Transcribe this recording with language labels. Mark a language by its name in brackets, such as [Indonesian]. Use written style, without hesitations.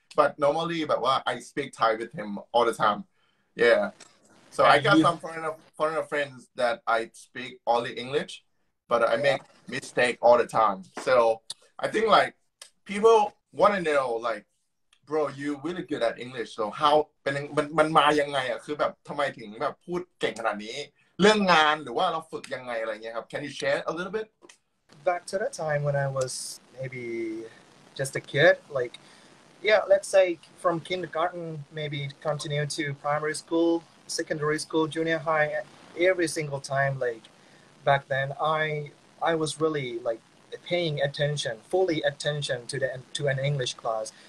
[English] But normally, I speak Thai with him all the time. Yeah. So and I got some foreigner friends that I speak only English, but I make mistake all the time. So I think like people want to know like, bro, you really good at English. So how, [Thai] มันมายังไงอ่ะคือแบบทำไมถึงแบบพูดเก่งขนาดนี้เรื่องงานหรือว่าเราฝึกยังไงอะไรเงี้ยครับ [English] Can you share a little bit? Back to that time when I was maybe just a kid, like, yeah, let's say from kindergarten, maybe continue to primary school, secondary school, junior high, every single time, like, back then, I was really, like, paying attention, fully attention to an English class.